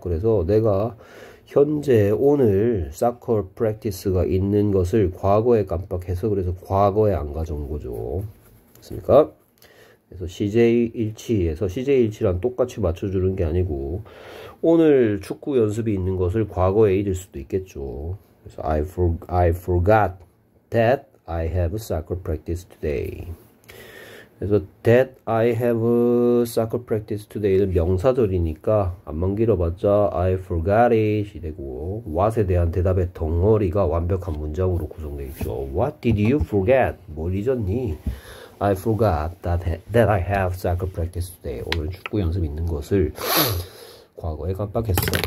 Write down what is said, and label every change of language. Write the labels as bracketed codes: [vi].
[ko] 그래서 내가 현재 오늘 사커 프랙티스가 있는 것을 과거에 깜빡해서 그래서 과거에 안 가져온 거죠. 됐습니까? 그래서 CJ일치에서 CJ일치랑 똑같이 맞춰주는 게 아니고 오늘 축구 연습이 있는 것을 과거에 잊을 수도 있겠죠. [en] So I forgot that I have a soccer practice today. [ko] 그래서 [en] that I have a soccer practice today [ko] 는 명사절이니까 안만 길어봤자 [en] I forgot it [ko] 이 되고 what에 대한 대답의 덩어리가 완벽한 문장으로 구성되어 있죠. [en] What did you forget? [ko] 뭘 잊었니? [en] I forgot that I have soccer practice today. [ko] 오늘 축구 연습 있는 것을 과거에 깜빡했어.